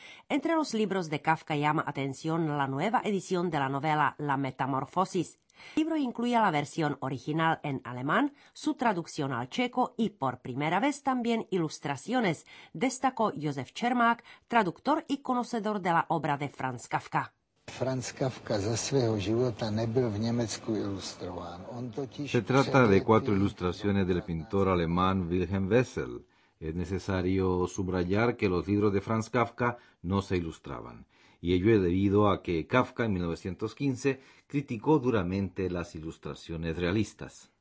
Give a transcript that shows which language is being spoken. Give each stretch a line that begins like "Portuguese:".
Spanish: Entre los libros de Kafka llama atención la nueva edición de la novela La Metamorfosis. El libro incluye la versión original en alemán, su traducción al checo y por primera vez también ilustraciones, destacó Josef Čermák, traductor y conocedor de la obra de Franz Kafka.
Czech: Franz Kafka za svého života nebyl v Německu ilustrován. On totiž...
Spanish: Se trata de 4 ilustraciones del pintor alemán Wilhelm Wessel. Es necesario subrayar que los libros de Franz Kafka no se ilustraban, y ello es debido a que Kafka en 1915 criticó duramente las ilustraciones realistas.